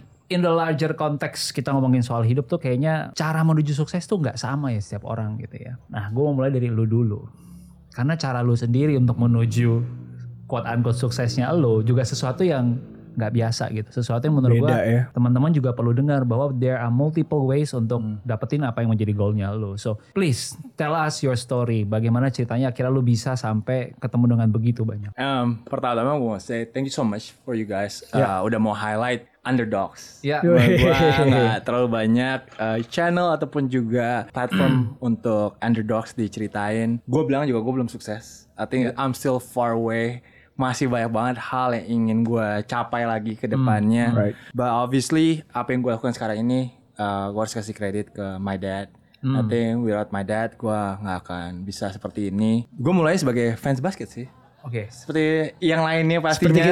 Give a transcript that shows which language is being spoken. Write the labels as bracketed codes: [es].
[en] In the larger context, [id] kita ngomongin soal hidup tuh kayaknya cara menuju sukses tuh gak sama ya setiap orang gitu ya. Nah, gue mau mulai dari lu dulu. Karena cara lu sendiri untuk menuju quote-unquote suksesnya lu juga sesuatu yang gak biasa gitu. Sesuatu yang menurut gue teman-teman juga perlu dengar bahwa [en] there are multiple ways [id] untuk dapetin apa yang menjadi goalnya lu. [en] So, please tell us your story. [id] Bagaimana ceritanya akhirnya lu bisa sampai ketemu dengan begitu banyak. Pertama-tama gue mau [en] say thank you so much for you guys. [id] Udah mau highlight underdogs. Gue gak terlalu banyak channel ataupun juga platform untuk underdogs diceritain. Gue bilang juga gue belum sukses. [en] I think I'm still far away. [id] Masih banyak banget hal yang ingin gue capai lagi ke depannya. [en] But obviously, [id] apa yang gue lakukan sekarang ini, gue harus kasih kredit ke [en] my dad. I think without my dad, [id] gue gak akan bisa seperti ini. Gue mulai sebagai fans basket sih. Okay. Seperti yang lainnya pastinya.